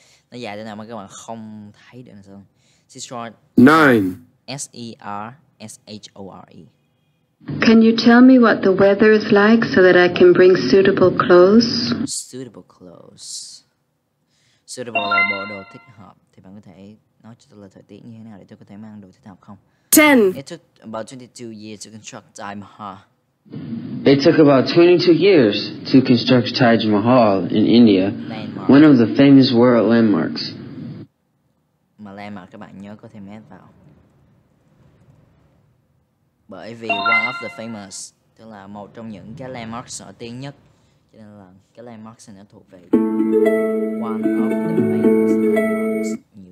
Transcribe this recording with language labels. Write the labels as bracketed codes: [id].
[vi] Nó dài thế nào mà các bạn không thấy được là sao? [en] Seashore. 9. S-E-R-S-H-O-R-E. Can you tell me what the weather is like so that I can bring suitable clothes? Suitable clothes. [vi] Suitable là bộ đồ thích hợp. Thì bạn có thể... Nói cho tôi là thời tiết như thế nào để tôi có thể mang đồ thích hợp không? 10. [en] It took about 22 years to construct Taj Mahal. It took about 22 years to construct Taj Mahal in India. Landmark. One of the famous world landmarks. [vi] Mà landmark các bạn nhớ có thêm mét vào. Bởi vì one of the famous, tức là một trong những cái landmarks nổi tiếng nhất. Cho nên là cái landmarks này nó thuộc về one of the famous landmarks.